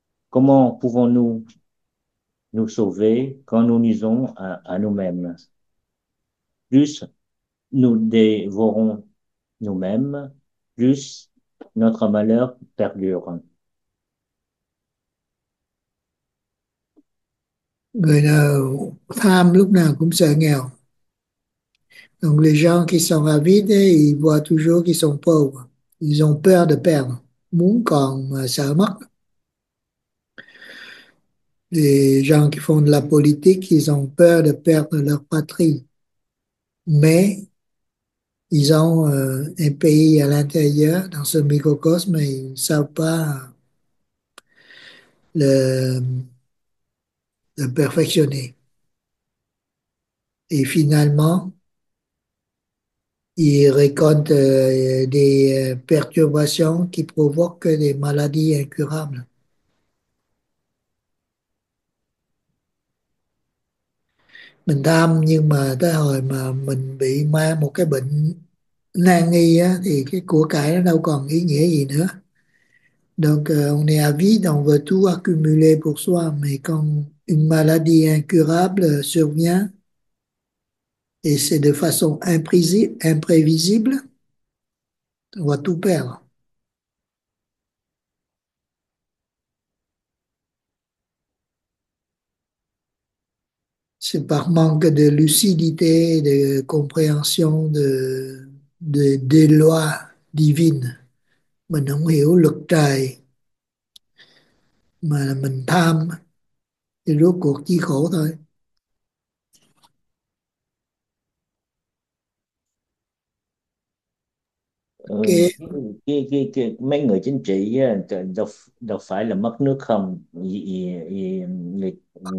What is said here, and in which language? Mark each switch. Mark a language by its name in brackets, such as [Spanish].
[French] Comment pouvons-nous nous sauver quand nous nuisons à nous-mêmes? Plus nous dévorons nous-mêmes, plus notre malheur perdure. [Vietnamese] Người nào tham lúc nào cũng sợ nghèo. [French] Donc les gens qui sont avides, ils voient toujours qu'ils sont pauvres. Ils ont peur de perdre. [Vietnamese] Muốn còn mà sợ mất. [French] Les gens qui font de la politique, ils ont peur de perdre leur patrie. Mais ils ont un pays à l'intérieur, dans ce microcosme, et ils ne savent pas de perfectionner. Et finalement, il récolte des perturbations qui provoquent des maladies incurables. [Vietnamese] Mình tham nhưng mà tới hồi mà mình bị mang một cái bệnh nan y á, thì cái của cải nó đâu còn ý nghĩa gì nữa. [French] Donc, on est avide, on veut tout accumuler pour soi, mais quand une maladie incurable survient, et c'est de façon imprévisible, on va tout perdre. C'est par manque de lucidité, de compréhension des lois divines. [Vietnamese] Mình không hiểu luật trời mà mình tham thì rốt cuộc chỉ khổ thôi. Ok. Cái mấy người chính trị đâu phải là mất nước không, người ta